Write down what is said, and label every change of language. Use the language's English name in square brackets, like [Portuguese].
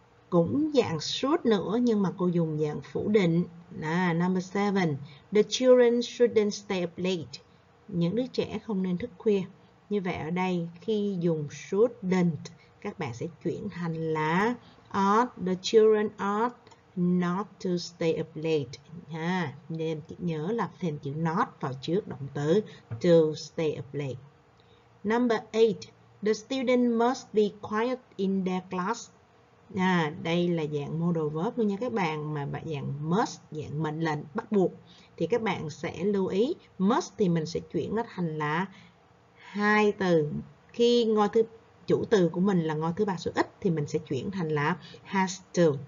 [Vietnamese] Cũng dạng should nữa nhưng mà cô dùng dạng phủ định. À, number 7. [English] The children shouldn't stay up late. [Vietnamese] Những đứa trẻ không nên thức khuya. Như vậy ở đây khi dùng shouldn't, các bạn sẽ chuyển thành là ought. [English] The children ought not to stay up late. [Vietnamese] À, nên nhớ là thêm chữ not vào trước động từ [English] to stay up late. Number 8. The student must be quiet in their class. [Vietnamese] À, đây là dạng modal verb luôn nha các bạn, mà dạng must, dạng mệnh lệnh bắt buộc. Thì các bạn sẽ lưu ý, must thì mình sẽ chuyển nó thành là hai từ. Khi ngôi thứ chủ từ của mình là ngôi thứ ba số ít thì mình sẽ chuyển thành là has to.